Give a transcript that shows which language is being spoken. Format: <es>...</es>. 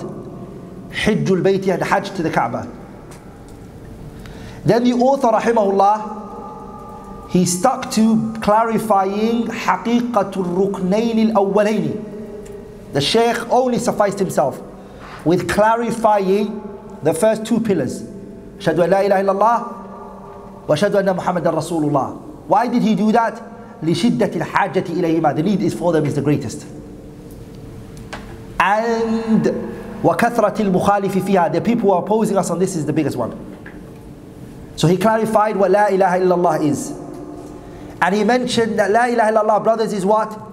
<en>حُجُّ الْبَيْتِ, had Hajj to the Kaaba. Then the author, rahimahullah, he stuck to clarifying</en> <ar>حَقِيقَةُ الرُّكْنَيْنِ الْأَوَّلَيْنِ.</ar> <en>The Shaykh only sufficed himself with clarifying the first two pillars.</en> <ar>أشهد أن لا إله إلا الله وأشهد أن محمد رسول الله.</ar> <en>Why did he do that?</en> <ar>لِشِدَّةِ الْحَاجَّةِ إِلَيْهِمَا.</ar> <en>The need is for them is the greatest.</en> <ar>And وَكَثْرَةِ الْمُخَالِفِ فِيهَا.</ar> <en>The people who are opposing us on this is the biggest one. So he clarified what</en> <ar>لا إله إلا الله</ar> <en>is. And he mentioned that La ilaha illallah, brothers, is what?</en>